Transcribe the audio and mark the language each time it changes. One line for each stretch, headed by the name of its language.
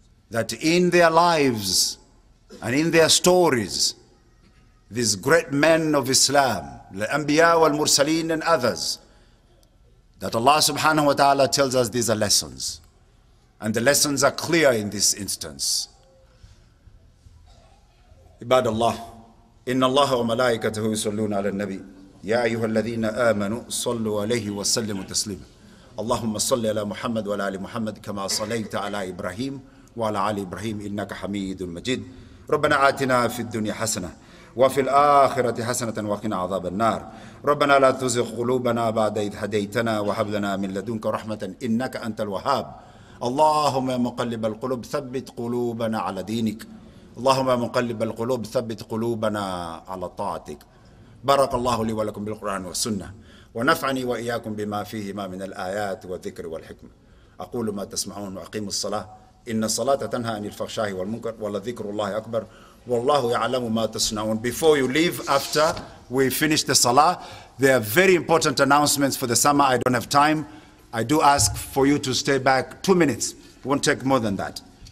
English: That in their lives and in their stories, these great men of Islam, the Anbiya wal-Mursaleen and others, that Allah subhanahu wa ta'ala tells us these are lessons. And the lessons are clear in this instance.
Arabic: Ibad Allah, إِنَّ اللَّهَ وَمَلَائِكَتَهُ يُصَلُّونَ عَلَى النَّبِي يَا أَيُّهَا الَّذِينَ آمَنُوا صَلُّوا عَلَيْهِ وَسَلِّمُوا تَسْلِيمًا اللهم صل على محمد وعلى آل محمد كما صليت على إبراهيم وعلى آل إبراهيم إنك حميد مجيد ربنا آتنا في الدنيا حسنة وفي الآخرة حسنة وقنا عذاب النار ربنا لا تزغ قلوبنا بعد إذ هديتنا وهب لنا من لدنك رحمة إنك أنت الوهاب اللهم يا مقلب القلوب ثبت قلوبنا على دينك اللهم يا مقلب القلوب ثبت قلوبنا على طاعتك بارك الله لي ولكم بالقرآن والسنة ونفعني وإياكم بما فيهما من الآيات والذكر والحكمة أقول ما تسمعون وأقيموا الصلاة إن الصلاة تنهى عن الفحشاء والمنكر ولذكر الله أكبر والله يعلم ما تصنعون.
English: Before you leave, after we finish the Salah, there are very important announcements for the summer. I don't have time. I do ask for you to stay back 2 minutes. It won't take more than that.